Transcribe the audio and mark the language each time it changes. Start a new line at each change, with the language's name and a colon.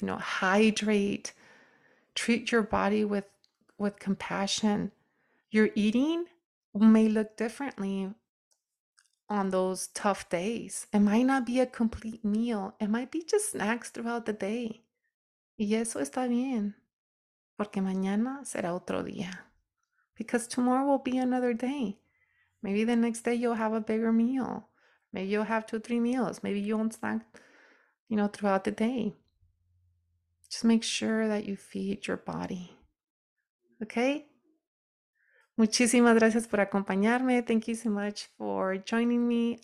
English: Hydrate. Treat your body with compassion. Your eating may look differently on those tough days. It might not be a complete meal. It might be just snacks throughout the day.
Spanish: Y eso está bien, porque mañana será otro día.
English: Because tomorrow will be another day. Maybe the next day you'll have a bigger meal. Maybe you'll have two, three meals. Maybe you won't snack, throughout the day. Just make sure that you feed your body. Okay?
Spanish: Muchísimas gracias por acompañarme.
English: Thank you so much for joining me.